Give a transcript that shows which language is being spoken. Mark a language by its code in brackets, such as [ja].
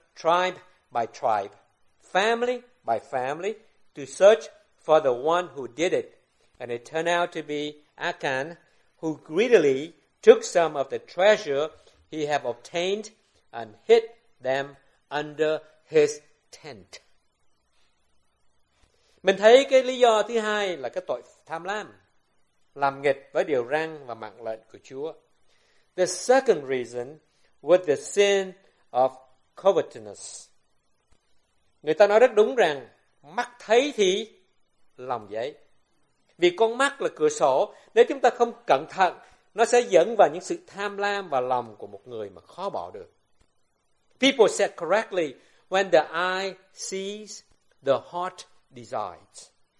[en] tribe by tribe, family by family, to search for the one who did it. And it turned out to be Achan, who greedily took some of the treasure he had obtained and hid them under his tent. [vi] Mình thấy cái lý do thứ hai là cái tội tham lam, làm nghịch với điều răn và mạng lệnh của Chúa. [en] The second reason was the sin of covetousness. [vi] Người ta nói rất đúng rằng mắt thấy thì lòng dễ. Vì con mắt là cửa sổ, nếu chúng ta không cẩn thận, nó sẽ dẫn vào những sự tham lam và lòng của một người mà khó bỏ được. [en] People said correctly, when the eye sees, the heart desires.